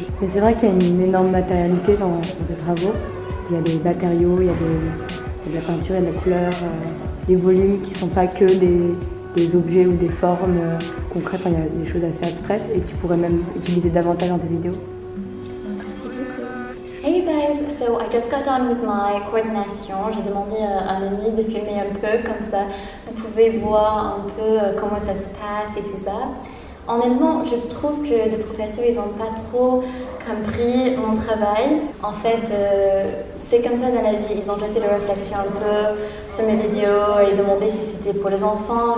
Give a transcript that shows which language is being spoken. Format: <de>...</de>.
<fr>Mais c'est vrai qu'il y a une énorme matérialité dans les travaux. Il y a des matériaux, il y a de la peinture, il y a de la couleur, des volumes qui ne sont pas que des objets ou des formes concrètes, enfin, il y a des choses assez abstraites et que tu pourrais même utiliser davantage dans tes vidéos.</fr> <en>Hey you guys, so I just got done with my coordination.</en> <fr>J'ai demandé à un ami de filmer un peu, comme ça vous pouvez voir un peu comment ça se passe et tout ça. Honnêtement, je trouve que les professeurs, ils n'ont pas trop compris mon travail. En fait, c'est comme ça dans la vie, ils ont jeté leur réflexion un peu sur mes vidéos et demandé si c'était pour les enfants.</fr>